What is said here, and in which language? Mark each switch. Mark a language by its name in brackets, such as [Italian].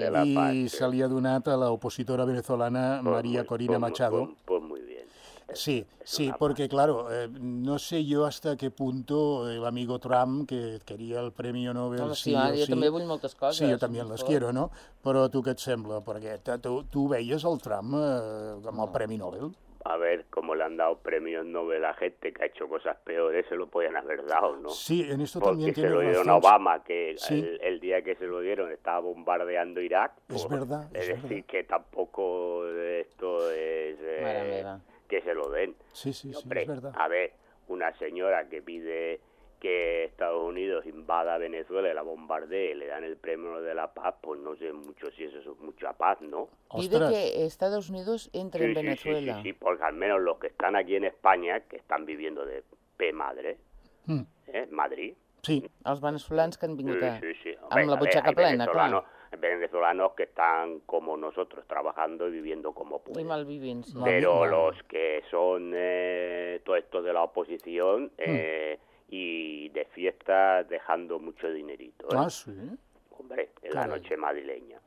[Catalan] I se li ha donat a l'opositora venezolana María Corina Machado. [Spanish] Pues muy bien. Sí, sí, porque claro, no sé yo hasta qué punto el amigo Trump, que quería el Premio Nobel, sí o sí. Yo también voy muchas cosas. Sí, yo también las quiero, ¿no? [Catalan] Però tu què et sembla? Perquè tu veies el Trump amb el Premi Nobel? [Spanish] A ver, como le han dado Premio Nobel a gente que ha hecho cosas peores, se lo podían haber dado, ¿no? Sí, en esto también tiene razón. Porque se lo dieron a Obama, que el día que se lo dieron estaba bombardeando Irak. Es verdad, es verdad. Es decir, que tampoco esto es... Maravilla. Que se lo den. Sí, sí, hombre, sí, es verdad. A ver, una señora que pide que Estados Unidos invada Venezuela y la bombardee, le dan el premio de la paz, pues no sé mucho si eso es mucha paz, ¿no? Pide que Estados Unidos entre en Venezuela. Sí, porque al menos los que están aquí en España, que están viviendo de madre, Madrid, Sí. [Catalan] Els veneçolans que han vingut sí, sí, sí. Amb la butxaca plena, clar. [Spanish] Venezolanos que están como nosotros, trabajando y viviendo como pueden. Muy mal viven. Sí. Pero los que son todo esto de la oposición y de fiesta dejando mucho dinerito. Ah, sí. Hombre, en la noche madrileña.